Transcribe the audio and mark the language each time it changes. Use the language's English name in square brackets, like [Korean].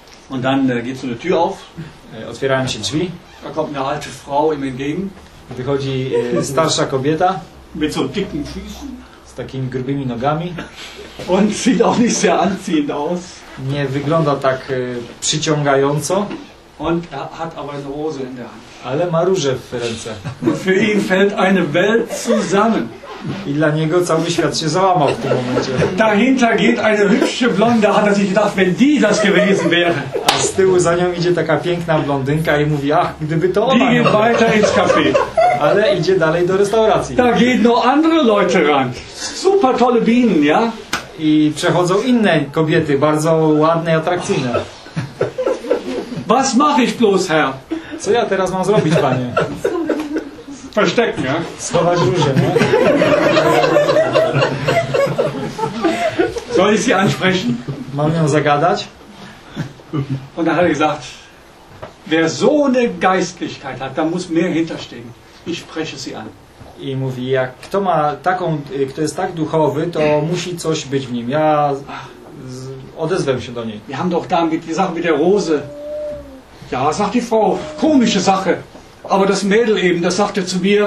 [German] Und dann geht so eine Tür auf. [Polish] Otwierają się drzwi. [German] Da kommt eine alte Frau im Entgegen. [Polish] Wychodzi starsza kobieta. [German] Mit so dicken Füßen. [Polish] Takimi grubymi nogami. [German] Und sieht auch nicht sehr anziehend aus. [Polish] Nie wygląda tak przyciągająco. [German] Und er hat aber eine Rose in der Hand. [Polish] Ale ma różę w ręce. [German] Für ihn fällt eine Welt zusammen. [Polish] I dla niego cały świat się załamał w tym momencie. [German] Dahinter geht eine hübsche Blonde, hat er sich gedacht, wenn die das gewesen wäre. [Polish] A z tyłu za nią idzie taka piękna blondynka i mówi, ach, gdyby to ona. [German] Die weiter ins Café. [Polish] Ale idzie dalej do restauracji. [German] Da geht noch andere Leute ran. Super tolle Bienen, ja? [Polish] I przechodzą inne kobiety, bardzo ładne i atrakcyjne. [German] Was mache ich bloß, Herr? [Polish] Co ja teraz mam zrobić, panie? [German] Versteck, ja? [Polish] Schować różę, nie? [German] Soll ich sie ansprechen? [Polish] Mam ją zagadać? [German] Und dann hat er gesagt, wer so eine Geistlichkeit hat, da muss mehr hinterstehen. Ich spreche sie an. [Polish] I mówi, jak kto ma taką, kto jest tak duchowy, to musi coś być w nim. Ja odezwę się do niej. [German] Wir haben doch da mit die Sache mit der Rose. Ja, sagt die Frau, komische Sache. Aber das Mädel eben, das sagte zu mir.